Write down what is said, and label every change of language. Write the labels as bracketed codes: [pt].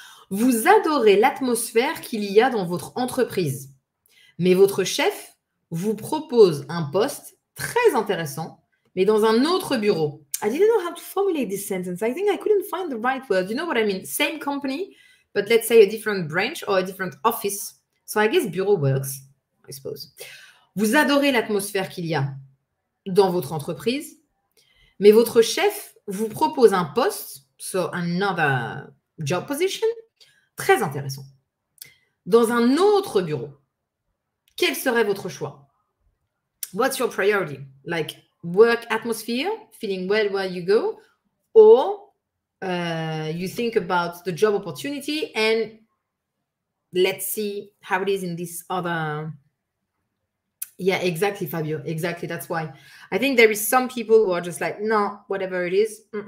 [fr] Vous adorez l'atmosphère qu'il y a dans votre entreprise, mais votre chef vous propose un poste très intéressant, mais dans un autre bureau. [en] I didn't know how to formulate this sentence. I think I couldn't find the right word. You know what I mean? Same company, but let's say a different branch or a different office. So I guess bureau works, I suppose. [fr] Vous adorez l'atmosphère qu'il y a dans votre entreprise, mais votre chef vous propose un poste, [en] so another job position, [fr] très intéressant, dans un autre bureau. Quel serait votre choix? [en] What's your priority? Like work atmosphere, feeling well where you go, or you think about the job opportunity and let's see how it is in this other. Yeah, exactly, Fabio. Exactly. That's why. I think there is some people who are just like, no, whatever it is.